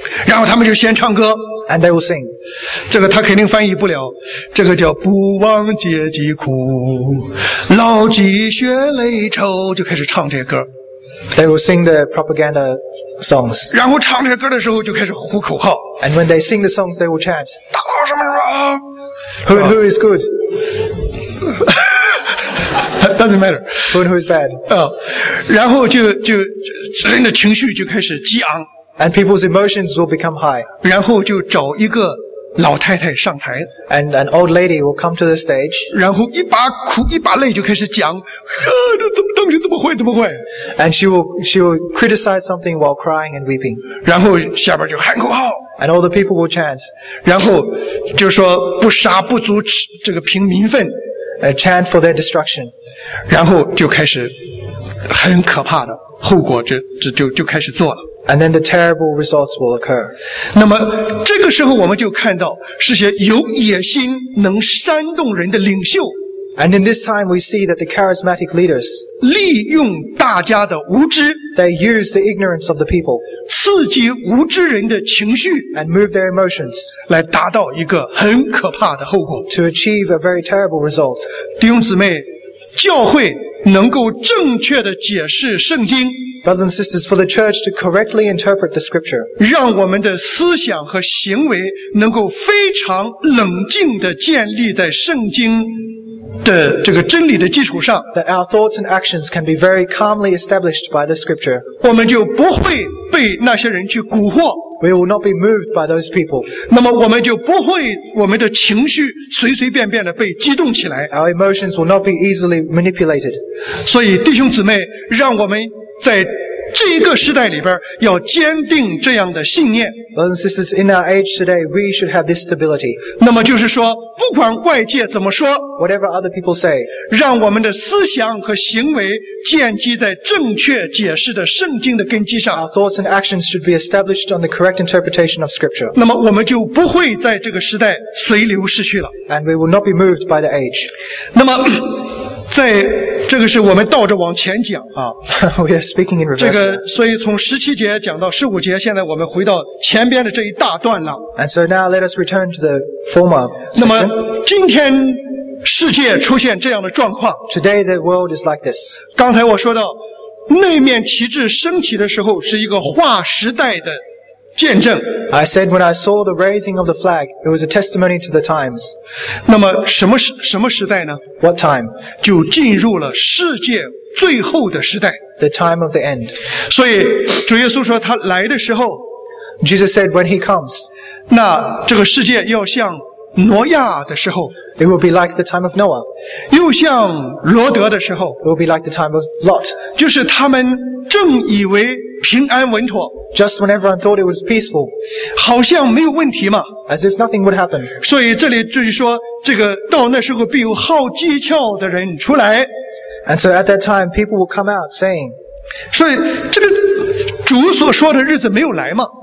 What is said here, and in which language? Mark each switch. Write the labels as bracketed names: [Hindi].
[Chinese] 然后他们就先唱歌。 [English] And they will sing. [Chinese] 这个他肯定翻译不了。这个叫不忘阶级苦，牢记血泪仇，就开始唱这些歌。 [English] They will sing the propaganda songs. [Chinese] 然后唱这些歌的时候就开始呼口号。 [English] And when they sing the songs, they will chant. [Chinese] 大哥什么什么。 [English] Who is good? Doesn't matter. Who and who is bad? [Chinese] 然后就人的情绪就开始激昂。 [English] And people's emotions will become high. [Chinese] 然后就找一个老太太上台。 [English] And an old lady will come to the stage. [Chinese] 然后一把哭一把泪就开始讲，啊，这怎么当时怎么会怎么会？ [English] And she will criticize something while crying and weeping. [Chinese] 然后下边就喊口号。 [English] And all the people will chant. [Chinese] 然后就说不杀不足这个平民愤。 [English] A chant for their destruction. [Chinese] 然后就开始很可怕的后果就开始做了。 [English] And then the terrible results will occur. [Chinese] 那么这个时候我们就看到是些有野心能煽动人的领袖。 [English] And in this time we see that the charismatic leaders [Chinese] 利用大家的无知 [English] they use the ignorance of the people [Chinese] 刺激无知人的情绪 [English] and move their emotions [Chinese] 来达到一个很可怕的后果 [English] to achieve a very terrible result [Chinese] 弟兄姊妹教会能够正确地解释圣经 [English] Brothers and sisters, for the church to correctly interpret the scripture [Chinese] 让我们的思想和行为能够非常冷静地建立在圣经的这个真理的基础上 [English] that our thoughts and actions can be very calmly established by the scripture [Chinese] 我们就不会被那些人去蛊惑 [English] we will not be moved by those people [Chinese] 那么我们就不会我们的情绪随随便便的被激动起来 [English] our emotions will not be easily manipulated [Chinese] 所以弟兄姊妹让我们在这一个时代里边要坚定这样的信念 [English] Brothers and sisters, in our age today, we should have this stability. [Chinese] 那么就是说不管外界怎么说 [English] Whatever other people say, [Chinese] 让我们的思想和行为建基在正确解释的圣经的根基上 [English] Our thoughts and actions should be established on the correct interpretation of scripture. [Chinese] 那么我们就不会在这个时代随流逝去了 [English] And we will not be moved by the age. [Chinese] 那么在这个是我们倒着往前讲啊。 [English] We are speaking in reverse. [Chinese] 这个所以从17节讲到15节现在我们回到前边的这一大段了。 [English] And so now let us return to the former section. [Chinese] 那么今天世界出现这样的状况。 [English] Today the world is like this. [Chinese] 刚才我说到那面旗帜升起的时候是一个划时代的见证。 [English] I said when I saw the raising of the flag, it was a testimony to the times. [Chinese] 那么什么时代呢 [English] ?What time? [Chinese] 就进入了世界最后的时代。 [English] The time of the end. [Chinese] 所以主耶稣说他来的时候 [English] Jesus said when he comes, [Chinese] 那这个世界要像挪亚的时候 [English] It will be like the time of Noah. [Chinese] 又像罗德的时候 [English] It will be like the time of Lot. [Chinese] 就是他们正以为平安稳妥 [English] Just when everyone thought it was peaceful. [Chinese] 好像没有问题嘛 [English] As if nothing would happen. [Chinese] 所以这里就是说这个到那时候必有好讥诮的人出来 [English] And so at that time, people will come out saying, [Chinese] 所以这个主所说的日子没有来嘛